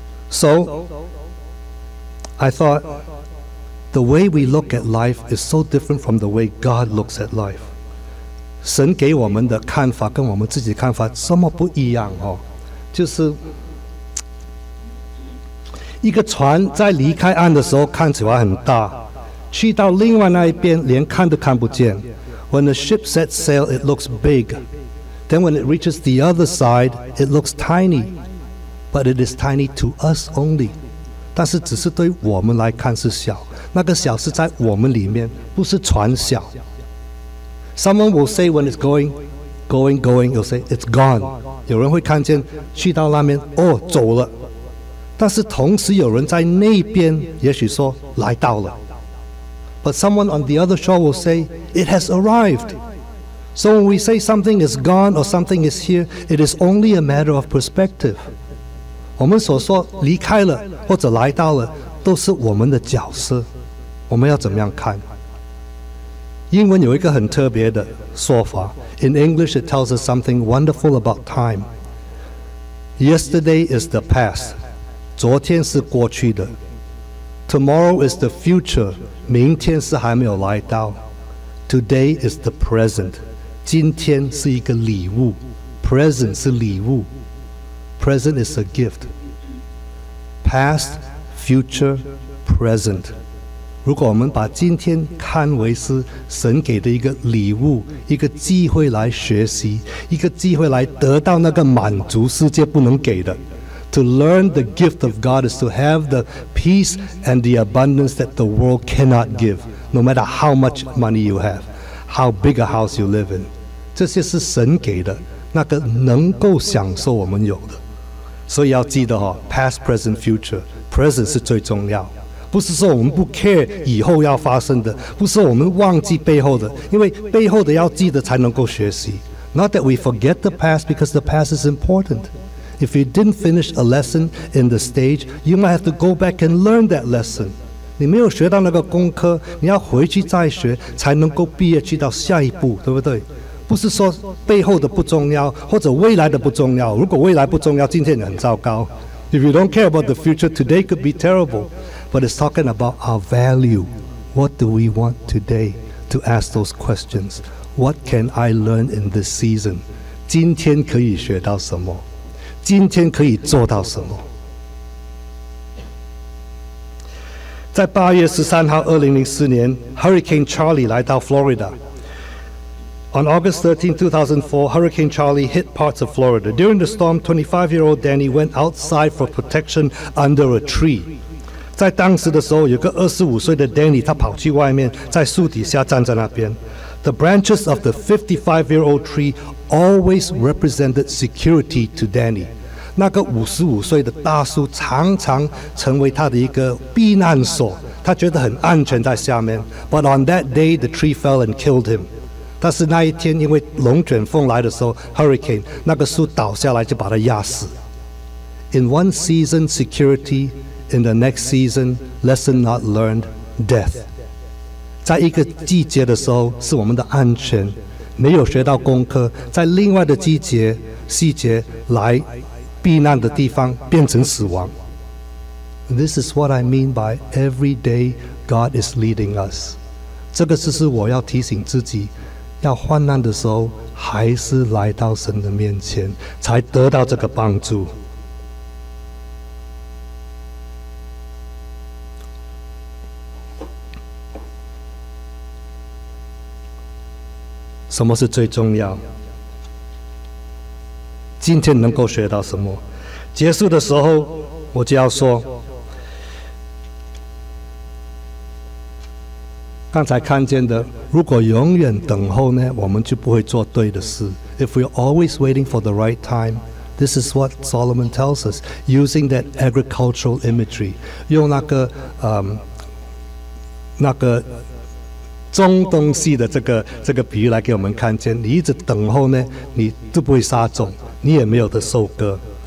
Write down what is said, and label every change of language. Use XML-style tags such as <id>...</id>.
<en>So I thought the way we look at life is so different from the way God looks at life.</en> <zh>神给我们的看法跟我们自己的看法这么不一样哦。就是一个船在离开岸的时候看起来很大，去到另外那一边连看都看不见。</zh> <en>When the ship sets sail it looks bigThen when it reaches the other side, it looks tiny, but it is tiny to us only.</en> <zh>但是只是对我们来看是小，那个小是在我们里面，不是船小。</zh> <en>Someone will say when it's going, going, going, you'll say it's gone.</en> <zh>有人会看见去到那边，哦，走了。但是同时有人在那边，也许说来到了。</zh> <en>But someone on the other shore will say it has arrived. So when we say something is gone or something is here, it is only a matter of perspective.</en> <zh>我们所说离开了或者来到了都是我们的角色，我们要怎么样看。英文有一个很特别的说法，</zh> <en>In English it tells us something wonderful about time. Yesterday is the past,</en> <zh>昨天是过去的。</zh> <en>Tomorrow is the future,</en> <zh>明天是还没有来到。</zh> <en>Today is the present,</en> <zh>今天是一个礼物， present 是礼物。</zh> <en>Present is a gift. Past, future, present.</en> <zh>如果我们把今天看为是神给的一个礼物，一个机会来学习，一个机会来得到那个满足世界不能给的。</zh> <en>To learn the gift of God is to have the peace and the abundance that the world cannot give, no matter how much money you have, how big a house you live in.</en> <zh>这些是神给的，那个能够享受我们有的。所以要记得哦，</zh> <en>past, present, future. Present</en> <zh>是最重要，不是说我们不 care 以后要发生的，不是说我们忘记背后的，因为背后的要记得才能够学习。</zh> <en>Not that we forget the past because the past is important. If you didn't finish a lesson in the stage, you might have to go back and learn that lesson.</en> <zh>你没有学到那个功课，你要回去再学，才能够毕业去到下一步，对不对？不是说背后的不重要，或者未来的不重要。如果未来不重要，今天你很糟糕。</zh> <en>If you don't care about the future, today could be terrible. But it's talking about our value. What do we want today to ask those questions? What can I learn in this season?</en> <zh>今天可以学到什么？今天可以做到什么？在8月13号2004年 Hurricane Charlie 来到 Florida.</zh> <en>On August 13, 2004, Hurricane Charlie hit parts of Florida. During the storm, 25-year-old Danny went outside for protection under a tree.</en> <zh>在当时的时候，有个25岁的 Danny， 他跑去外面，在树底下站在那边。</zh> <en>The branches of the 55-year-old tree always represented security to Danny.</en> <zh>那个55岁的大树常常成为他的一个避难所，他觉得很安全在下面。</zh> <en>But on that day, the tree fell and killed him.</en> <zh>但是那一天因为龙卷风来的时候 ,hurricane, 那个树倒下来就把他压死。</zh> <en>In one season, security. In the next season, lesson not learned, death.</en> <zh>在一个季节的时候是我们的安全，没有学到功课，在另外的季节细节来避难的地方变成死亡。</zh> <en>This is what I mean by every day God is leading us.</en> <zh>这个就是我要提醒自己，要患难的时候还是来到神的面前才得到这个帮助。什么是最重要？今天能够学到什么？结束的时候，我就要说，刚才看见的，如果永远等候呢，我们就不会做对的事。</zh> <en>If we're always waiting for the right time, this is what Solomon tells us, using that agricultural imagery,</en> <zh>用那个中东西的这个比喻来给我们看见，你一直等候呢，你都不会撒种，你也没有的收割。</zh>